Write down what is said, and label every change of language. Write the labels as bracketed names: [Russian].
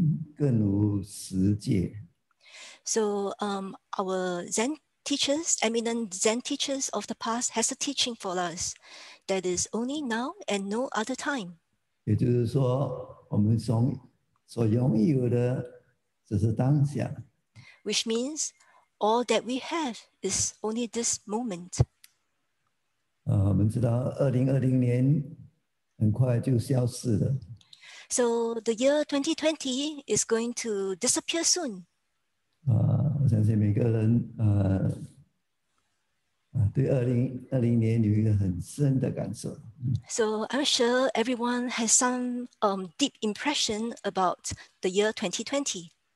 [Chinese] 禅师一个教导，只是现今更无实界。 [English] So our Zen teachers, eminent Zen teachers of the past, has a teaching for us that is only now and no other time. [Chinese] 也就是说，我们所拥有的 只是当下, [English] which means all that we have is only this moment. [Chinese] 我们知道2020年很快就消失了。So [English] the year 2020 is going to disappear soon. [Chinese] 我相信每个人对2020年有一个很深的感受。So [English] I'm sure everyone has some deep impression about the year 2020.